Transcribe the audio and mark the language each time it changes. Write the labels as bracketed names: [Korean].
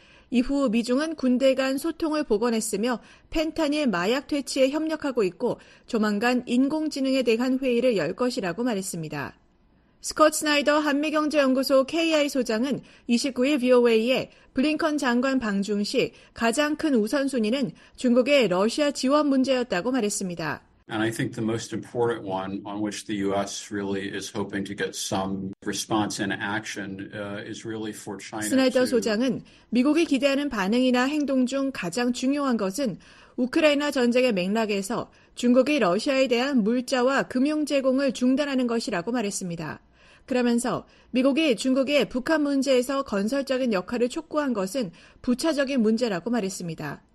[Korean] 이후 미중은 군대 간 소통을 복원했으며 펜타닐 마약 퇴치에 협력하고 있고 조만간 인공지능에 대한 회의를 열 것이라고 말했습니다. 스콧 스나이더 한미경제연구소 KI 소장은 29일 VOA에 블링컨 장관 방중 시 가장 큰 우선순위는 중국의 러시아 지원 문제였다고 말했습니다. [English] And I think the most important one on which the U.S. really is hoping to get some response and action is really for China. [Korean] 스나이더 소장은 미국이 기대하는 반응이나 행동 중 가장 중요한 것은 우크라이나 전쟁의 맥락에서 중국이 러시아에 대한 물자와 금융 제공을 중단하는 것이라고 말했습니다. 그러면서 미국이 중국의 북한 문제에서 건설적인 역할을 촉구한 것은 부차적인 문제라고 말했습니다.